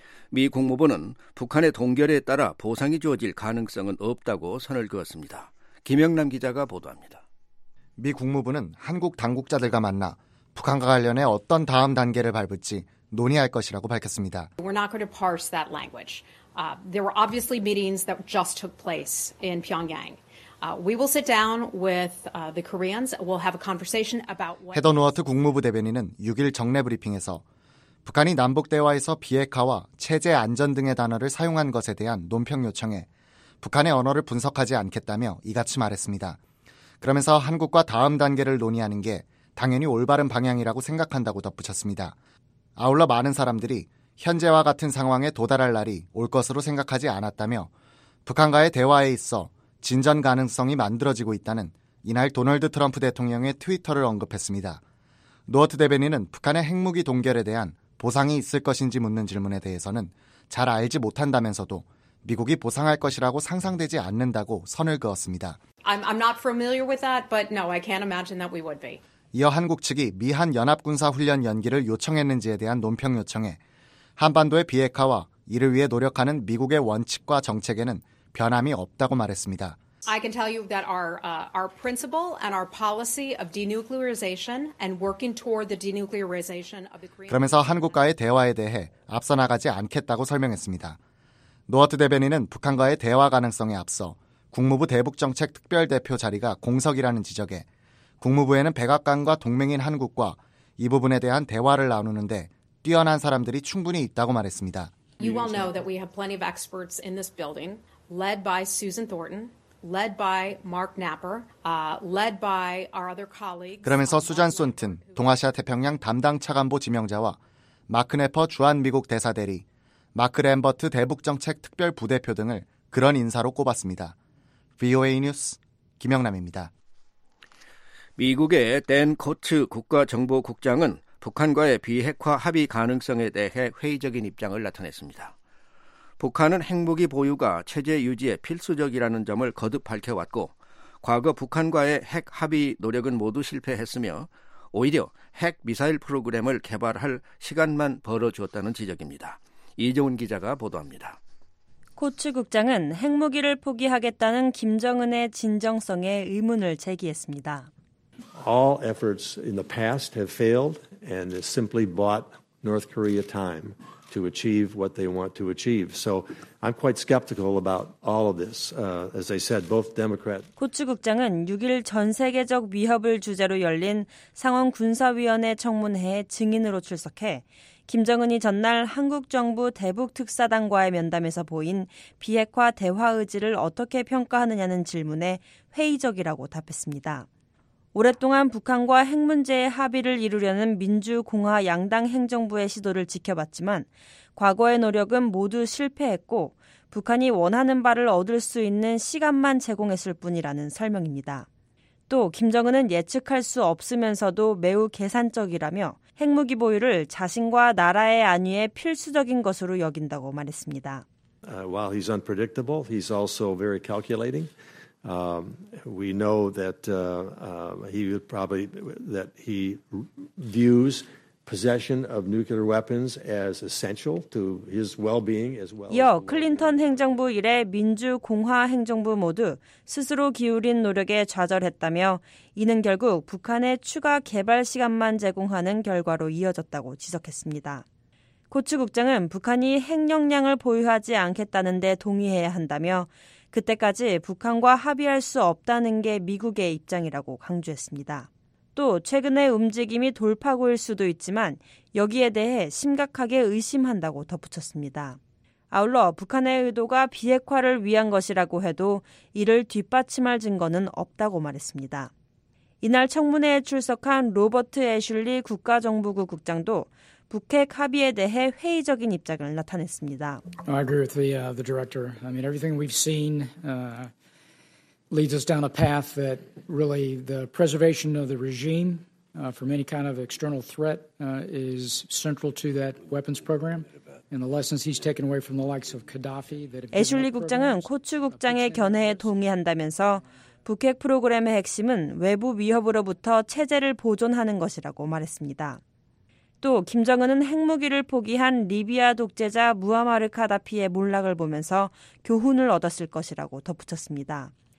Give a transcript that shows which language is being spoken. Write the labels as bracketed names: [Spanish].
[Korean] 미 국무부는 북한의 동결에 따라 보상이 주어질 가능성은 없다고 선을 그었습니다. 김영남 기자가 보도합니다. 미 국무부는 한국 당국자들과 만나 북한과 관련해 어떤 다음 단계를 밟을지 논의할 것이라고 밝혔습니다. [English] We're not going to parse that language. There were obviously meetings that just took place in Pyongyang. We will sit down with the Koreans. We'll have a conversation about what. [Korean] 헤더 노어트 국무부 대변인은 6일 정례 브리핑에서 북한이 남북 대화에서 비핵화와 체제 안전 등의 단어를 사용한 것에 대한 논평 요청에 북한의 언어를 분석하지 않겠다며 이같이 말했습니다. 그러면서 한국과 다음 단계를 논의하는 게 당연히 올바른 방향이라고 생각한다고 덧붙였습니다. 아울러 많은 사람들이 현재와 같은 상황에 도달할 날이 올 것으로 생각하지 않았다며 북한과의 대화에 있어 진전 가능성이 만들어지고 있다는 이날 도널드 트럼프 대통령의 트위터를 언급했습니다. 노어트 대변인은 북한의 핵무기 동결에 대한 보상이 있을 것인지 묻는 질문에 대해서는 잘 알지 못한다면서도 미국이 보상할 것이라고 상상되지 않는다고 선을 그었습니다. [English] I'm not familiar with that, but no, I can't imagine that we would be. [Korean] 이어 한국 측이 미한 연합군사 훈련 연기를 요청했는지에 대한 논평 요청에 한반도의 비핵화와 이를 위해 노력하는 미국의 원칙과 정책에는 변함이 없다고 말했습니다. [English] I can tell you that our principle and our policy of denuclearization and working toward the denuclearization of the Korean. [Korean] 그러면서 한국과의 대화에 대해 앞서 나가지 않겠다고 설명했습니다. 노어트 대변인은 북한과의 대화 가능성에 앞서 국무부 대북정책특별대표 자리가 공석이라는 지적에 국무부에는 백악관과 동맹인 한국과 이 부분에 대한 대화를 나누는데 뛰어난 사람들이 충분히 있다고 말했습니다. [English] You well know that we have plenty of experts in this building, led by Susan Thornton, led by Mark Knapper, led by our other colleagues. [Korean] 그러면서 수잔 쏜튼, 동아시아 태평양 담당 차관보 지명자와 마크 네퍼 주한미국 대사 대리, 마크 램버트 대북정책특별부대표 등을 그런 인사로 꼽았습니다. VOA 뉴스 김영남입니다. 미국의 댄 코츠 국가정보국장은 북한과의 비핵화 합의 가능성에 대해 회의적인 입장을 나타냈습니다. 북한은 핵무기 보유가 체제 유지에 필수적이라는 점을 거듭 밝혀왔고 과거 북한과의 핵 합의 노력은 모두 실패했으며 오히려 핵 미사일 프로그램을 개발할 시간만 벌어주었다는 지적입니다. 이종훈 기자가 보도합니다. 코츠 국장은 핵무기를 포기하겠다는 김정은의 진정성에 의문을 제기했습니다. [English] All efforts in the past have failed and it simply bought North Korea time to achieve what they want to achieve. So I'm quite skeptical about all of this. As I said, both Democrat. [Korean] 코츠 국장은 6일 전 세계적 위협을 주제로 열린 상원 군사위원회 청문회에 증인으로 출석해 김정은이 전날 한국 정부 대북특사단과의 면담에서 보인 비핵화 대화 의지를 어떻게 평가하느냐는 질문에 회의적이라고 답했습니다. 오랫동안 북한과 핵 문제의 합의를 이루려는 민주공화 양당 행정부의 시도를 지켜봤지만 과거의 노력은 모두 실패했고 북한이 원하는 바를 얻을 수 있는 시간만 제공했을 뿐이라는 설명입니다. 또 김정은은 예측할 수 없으면서도 매우 계산적이라며 핵무기 보유를 자신과 나라의 안위에 필수적인 것으로 여긴다고 말했습니다. [English] While he's unpredictable, he's also very calculating. We know that he would probably that he views possession of nuclear weapons as essential to his well-being as well. [Korean] 이어 클린턴 행정부 이래 민주 공화 행정부 모두 스스로 기울인 노력에 좌절했다며 이는 결국 북한의 추가 개발 시간만 제공하는 결과로 이어졌다고 지적했습니다. 코츠 국장은 북한이 핵 역량을 보유하지 않겠다는 데 동의해야 한다며 그때까지 북한과 합의할 수 없다는 게 미국의 입장이라고 강조했습니다. 또 최근의 움직임이 돌파구일 수도 있지만 여기에 대해 심각하게 의심한다고 덧붙였습니다. 아울러 북한의 의도가 비핵화를 위한 것이라고 해도 이를 뒷받침할 증거는 없다고 말했습니다. 이날 청문회에 출석한 로버트 애슐리 국가정보국 국장도 북핵 합의에 대해 회의적인 입장을 나타냈습니다. [English] I agree with the director. I mean, everything we've seen leads us down a path that really the preservation of the regime from any kind of external threat is central to that weapons program. And the lessons he's taken away from the likes of Gaddafi that have. [Korean] 애슐리 국장은 코츠 국장의 견해에 동의한다면서 북핵 프로그램의 핵심은 외부 위협으로부터 체제를 보존하는 것이라고 말했습니다. 또 김정은은 핵무기를 포기한 리비아 독재자 무아마르 카다피의 몰락을 보면서 교훈을 얻었을 것이라고 덧붙였습니다.